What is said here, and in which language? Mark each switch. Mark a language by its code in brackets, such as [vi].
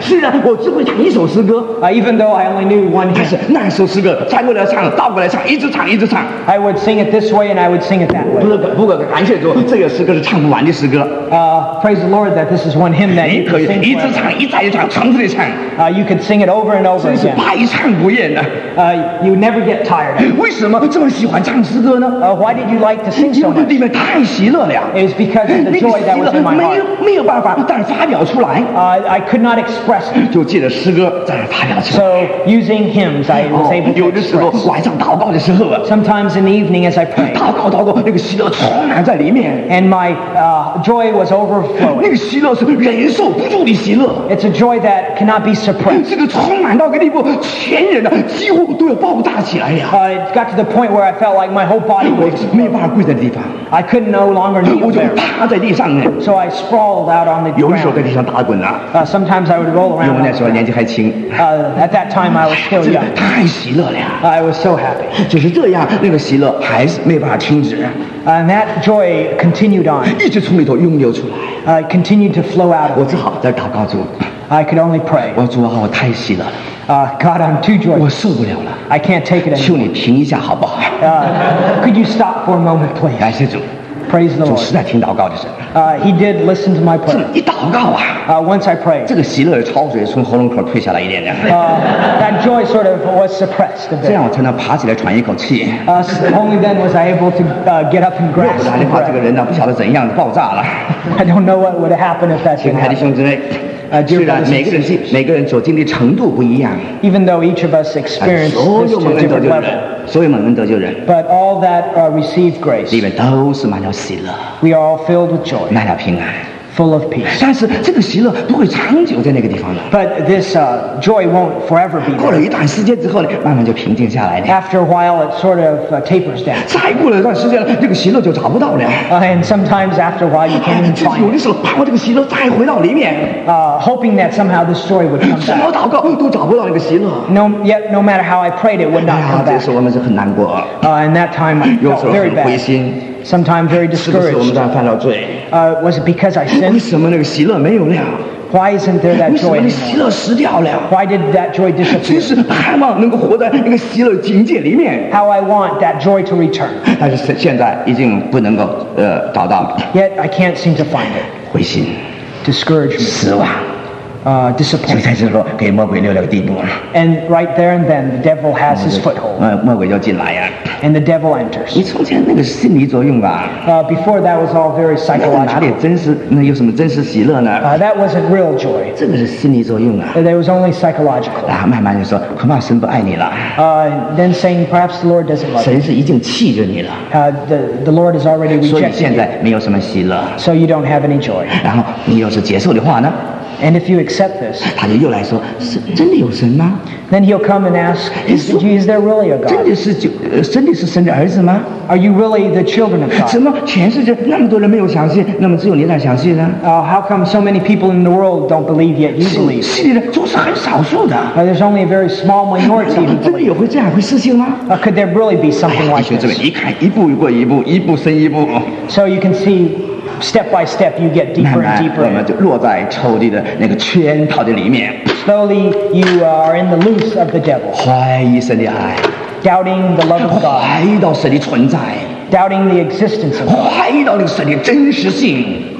[zh] 虽然我只会唱一首诗歌 [en] Even though I only knew one hymn. [zh] 但是那首诗歌翻过来唱倒过来唱一直唱一直唱 [en] I would sing it this way and I would sing it that way. [zh] 不过感谢主这个诗歌是唱不完的诗歌 [en] Praise the Lord that this is one hymn that you can sing [zh] 一直唱一再一唱重复的唱 [en] You can sing it over and over again. [zh] 真是百唱不厌的 [en] You never get tired. [zh] 为什么这么喜欢唱诗歌呢 [en] Why did you like to sing so much? [zh] 因为里面太喜乐了 [en] It's because of the joy that was in my heart. [zh] 没有办法但是发表出来 [en] I could not express it. [zh] 就借着诗歌在那发表出来 [en] So using hymns I was able to express. [zh] 有的时候晚上祷告的时候 [en] Sometimes in the evening as I pray. [zh] 祷告那个喜乐充满在里面 [en] And my joy was overflowing. [zh] 那个喜乐是忍受不住的喜乐 [en] It's a joy that cannot be suppressed. [zh] 这个充满到个地步全人的几乎都要爆炸起来呀 [en] It got to the point where I felt like my whole body was [zh] 没有办法跪在地方 [en] I could no longer kneel there [zh] 我就趴在地上 [en] So I sprawled out on the ground [zh] 有时候在地上打滚啊 [en] Sometimes I would roll around [zh] 因为那时候年纪还轻 [en] At that time I was still young [zh] 太喜乐了 [en] I was so happy [zh] 就是这样那个喜乐还是没有办法停止 [en] And that joy continued on [zh] 一直从里头涌流出来 [en] Continued to flow out of [zh] 我只好在祷告中 [en] I could only pray [zh] 我主啊我太喜乐了 [en] God, I'm too joyful. [zh] 我受不了了。 [en] I can't take it anymore. [zh] 求你停一下好不好？ [en] Could you stop for a moment, please? [zh] 感谢主。 [en] Praise the Lord. [zh] 主实在听祷告的神。 [en] He did listen to my prayer. [zh] 一祷告啊。 [en] Once I prayed. [zh] 这个喜乐的潮水从喉咙口退下来一点点。 [en] That joy sort of was suppressed a bit. [zh] 这样我才能爬起来喘一口气。 [en] Only then was I able to get up and grasp. [zh] 要不然的话，这个人呢，不晓得怎样爆炸了。 [en] I don't know what would happen if that. [zh] 亲爱的兄弟们。虽然每个人所经历程度不一样 [en] even though each of us experienced this to a different level [zh] 所有蒙恩得救人 [en] but all that received grace [zh] 里面都是满了喜乐 [en] we are all filled with joy [zh] 满了平安 [en] full of peace [zh] 但是这个喜乐不会长久在那个地方的 [en] but this joy won't forever be [zh] 过了一段时间之后呢慢慢就平静下来了 [en] after a while it sort of tapers down [zh] 再过了一段时间了这个喜乐就找不到了 [en] and sometimes after a while you can't even find [zh] 有的时候盼望这个喜乐再回到里面 [en] Hoping that somehow this joy would come back. [zh] 怎么祷告都找不到那个喜乐。 [en] No matter how I prayed, it would not come back. [zh] 这时候我们是很难过。 [en] In that time, I felt very bad. [zh] 有时候很灰心。 [en] Sometimes very discouraged. [zh] 是不是我们在犯了罪？ [en] Was it because I sinned? [zh] 为什么那个喜乐没有了？ [en] Why isn't there that joy? [zh] 为什么那喜乐失掉了？ [en] Why did that joy disappear? [zh] 真是盼望能够活在那个喜乐境界里面。 [en] How I want that joy to return. [zh] 但是现在已经不能够找到了。 [en] Yet I can't seem to find it. [zh] 灰心。 [en] discouragement. [zh] 失望。 [en] Disappointment. [zh] 就在这时候给魔鬼留了地步。 [en] And right there and then, the devil has his foothold. [zh] 魔鬼就进来呀。 [en] And the devil enters. [zh] 你从前那个心理作用吧。 [en] Before that was all very psychological. [zh] 那哪里真实，那有什么真实喜乐呢？ [en] That wasn't real joy. [zh] 这个是心理作用啊。 [en] It was only psychological. [zh] 啊，慢慢就说，恐怕神不爱你了。 [en] Then saying, perhaps the Lord doesn't love you. [zh] 神是已经弃绝你了。 [en] The Lord has already rejected you. [zh] 所以现在没有什么喜乐。 [en] So you don't have any joy. [zh] 然后你要是接受的话呢？ [en] And if you accept this, [zh] 他就又来说，是真的有神吗？ [en] Then he'll come and ask, is there really a God? [zh] 真的是神的儿子吗？ [en] Are you really the children of God? [zh] 怎么全世界那么多人没有相信，那么只有你俩相信呢？ [en] How come so many people in the world don't believe yet you believe? [zh] 信的人总是很少数的。 [en] There's only a very small minority. [zh] 真的有会这样会事情吗？ [en] Could there really be something like this? [zh] 弟兄姊妹，你看一步过一步，一步生一步。 [en] So you can see. Step by step, you get deeper and deeper. Slowly, you are in the loose of the devil. [zh] 怀疑神的爱, [en] doubting the love of God. [zh] 怀疑到神的存在, [en] doubting the existence of God. [zh] 怀疑到那个神的真实性,